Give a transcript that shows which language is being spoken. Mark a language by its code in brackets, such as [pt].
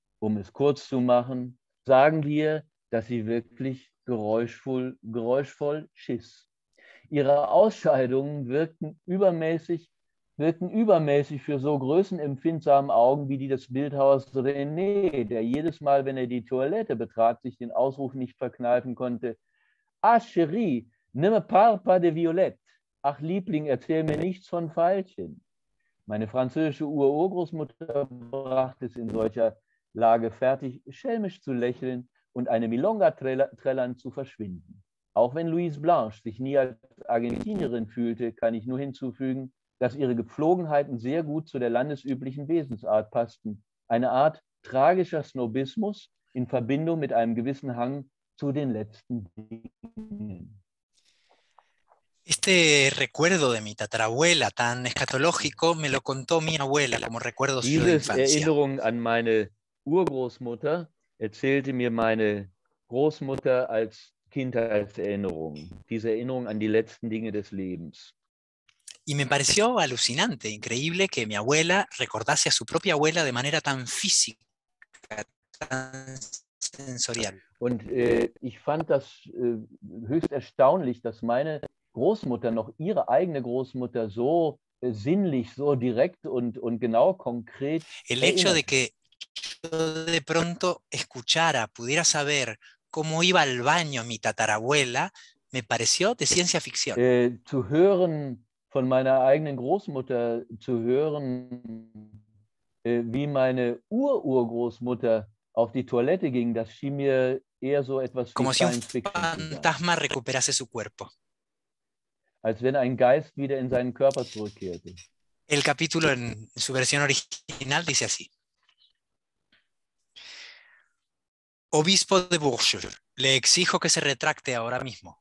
[de] Um es kurz zu machen, sagen wir, dass sie wirklich geräuschvoll schiss. Ihre Ausscheidungen wirken übermäßig für so größenempfindsame Augen wie die des Bildhauers René, der jedes Mal, wenn er die Toilette betrat, sich den Ausruf nicht verkneifen konnte. [fr] Ah, chérie, ne me parle pas de violette. [de] Ach, Liebling, erzähl mir nichts von Veilchen. Meine französische Ururgroßmutter brachte es in solcher Lage fertig, schelmisch zu lächeln und eine Milonga trällern zu verschwinden. Auch wenn Louise Blanche sich nie als Argentinierin fühlte, kann ich nur hinzufügen, dass ihre Gepflogenheiten sehr gut zu der landesüblichen Wesensart passten. Eine Art tragischer Snobismus in Verbindung mit einem gewissen Hang zu den letzten Dingen. [es] Este recuerdo de mi tatarabuela tan escatológico me lo contó mi abuela como recuerdo de su infancia. [de] Diese Erinnerung an meine Urgroßmutter erzählte mir meine Großmutter als Kindheitserinnerung. Diese Erinnerung an die letzten Dinge des Lebens. [es] Y me pareció alucinante, increíble que mi abuela recordase a su propia abuela de manera tan física, tan sensorial. [de] Und ich fand das höchst erstaunlich, dass meine Großmutter noch ihre eigene Großmutter so sinnlich, so direkt und genau konkret. [es] El hecho de que yo de pronto escuchara, pudiera saber cómo iba al baño mi tatarabuela, me pareció de ciencia ficción. [de] Zu hören von meiner eigenen Großmutter, zu hören, wie meine Ururgroßmutter auf die Toilette ging, das schien mir eher so etwas wie Science Fiction. [es] Como si un fantasma recuperase su cuerpo. [de] Als wenn ein Geist wieder in seinen Körper zurückkehrte. [es] El capítulo en su versión original dice así. Obispo de Bourges, le exijo que se retracte ahora mismo.